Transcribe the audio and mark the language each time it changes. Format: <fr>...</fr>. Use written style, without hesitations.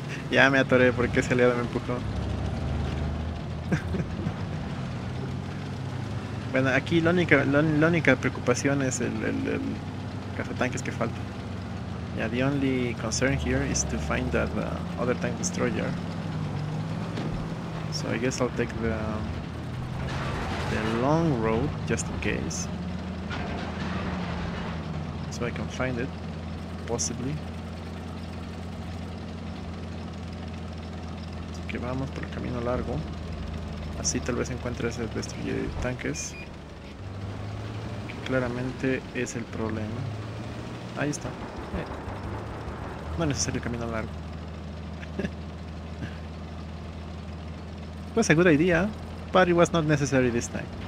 <es>Ya me atoré porque ese aliado me empujó. Bueno, aquí la única preocupación es el cazatanques que falta.</es> <en>Yeah, the only concern here is to find that other tank destroyer. So I guess I'll take the long road just in case, so I can find it, possibly.</en> <es>Así que vamos por el camino largo. Así tal vez encuentres el destruye de tanques. Que claramente es el problema. Ahí está. No necesario el camino largo.</es> <en>Was a good idea, but it was not necessary this time.</en>